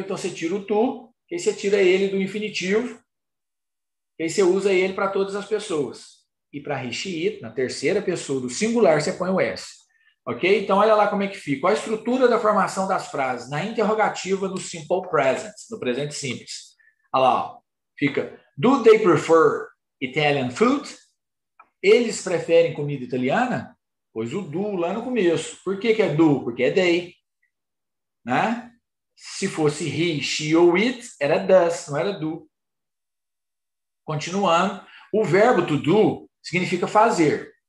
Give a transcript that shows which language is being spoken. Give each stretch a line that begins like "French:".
Portuguese: Então, você tira o to, e você tira ele do infinitivo, e você usa ele para todas as pessoas. e para Rishi, na terceira pessoa do singular, você põe o S. Ok? Então, olha lá como é que fica. Qual a estrutura da formação das frases? Na interrogativa, no
English: simple present,
Portuguese: no presente simples. Olha lá. Fica,
English: do they prefer Italian food?
Portuguese: Eles preferem comida italiana? Pois o do lá no começo. Por que que é do? Porque é they. Né? Se fosse he, she ou it, era does, não era do. Continuando, o verbo to do significa fazer.